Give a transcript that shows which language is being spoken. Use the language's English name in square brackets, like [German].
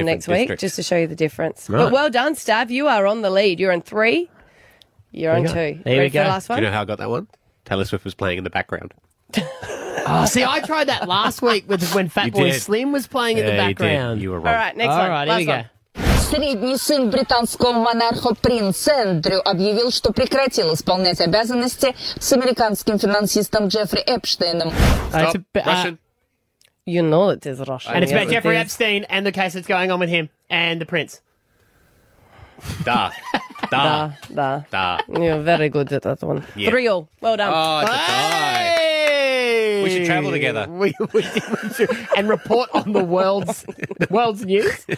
[English] different next district. Week just to show you the difference. Right. But well done, Stav. You are on the lead. You're on three. You're on two. There ready we go. For the last one? Do you know how I got that one? Taylor Swift was playing in the background. Oh, see, I tried that last week with when Fatboy Slim was playing yeah, in the background. You were wrong. All right, next All one. All right, here last we one. Go. [Russian] Средний сын британского монарха принц Эндрю объявил, что прекратил исполнять обязанности с американским финансистом Джеффри Эпштейном. [English] Stop. Russian. You know it is Russian. And it's about Jeffrey Epstein and the case that's going on with him and the prince. Duh. Da. You're very good at that one. Yeah. 3-0. Well done. Oh, it's a tie. We should travel together. We and report on the world's news.